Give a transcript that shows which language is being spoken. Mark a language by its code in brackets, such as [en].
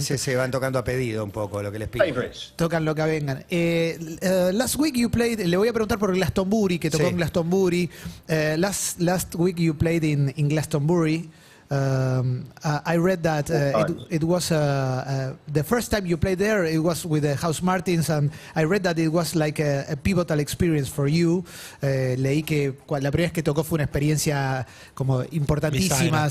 [es] Sí, se van tocando a pedido un poco, lo que les pido. [en] Favorites. [es] Tocan lo que vengan. [en] Last week you played. [es] Le voy a preguntar por Glastonbury, que tocó en Glastonbury. [en] Last week you played in Glastonbury. I read that it was the first time you played there. It was with the House Martins, and I read that it was like a pivotal experience for you. [es] Leí que la primera vez que tocó fue una experiencia como importantísima, bisagra.